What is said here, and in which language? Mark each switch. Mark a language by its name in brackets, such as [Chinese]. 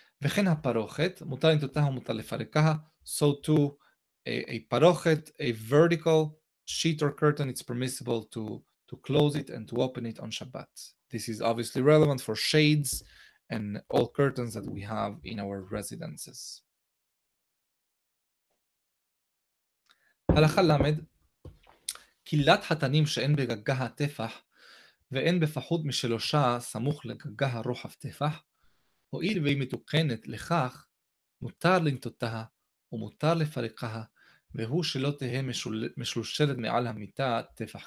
[Hebrew] וכן הפרוכת, מותר לנטותה ומותר לפרקה. [English] So too, a parochet, a vertical sheet or curtain, it's permissible to close it and to open it on Shabbat. This is obviously relevant for shades and all curtains that we have in our residences. [Hebrew] הלכה למד, קילת חתנים שאין בגגה הטפח, ואין בפחות משלושה סמוך לגגה רוחב טפח, הואיל והיא מתוקנת לכך, מותר לנטותה ומותר לפרקה, והוא שלא תהה משלושלת מעל המיטה טפח.